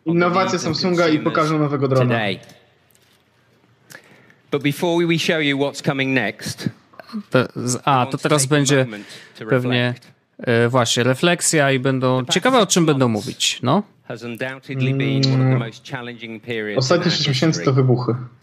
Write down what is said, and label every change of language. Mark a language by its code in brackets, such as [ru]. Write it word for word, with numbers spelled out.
[pl] Innowacje Samsunga i pokażą nowego drona. [en] Today. But before we show you what's coming next. [pl] To, a, to teraz będzie pewnie e, właśnie refleksja i będą... Ciekawe, o czym będą mówić, no? Mm. Ostatnie sześć miesięcy to wybuchy.